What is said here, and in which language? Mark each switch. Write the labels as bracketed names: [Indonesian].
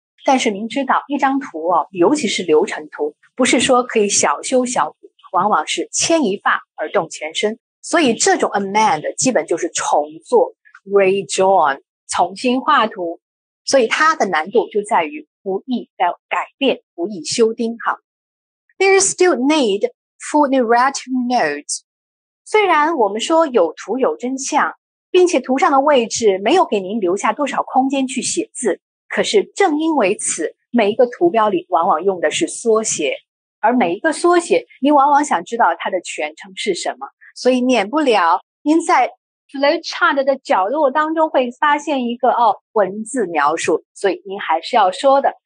[Chinese] 但是您知道一张图哦，尤其是流程图，不是说可以小修小补，往往是牵一发而动全身，所以这种 amend 基本就是重做 redrawn， 重新画图，所以它的难度就在于不易改变，不易修订。 [English] 好， There is still need for narrative notes。 [Chinese] 虽然我们说有图有真相，并且图上的位置没有给您留下多少空间去写字，可是正因为此，每一个图标里往往用的是缩写，而每一个缩写你往往想知道它的全称是什么，所以免不了您在 flowchart 的角落当中会发现一个文字描述，所以您还是要说的。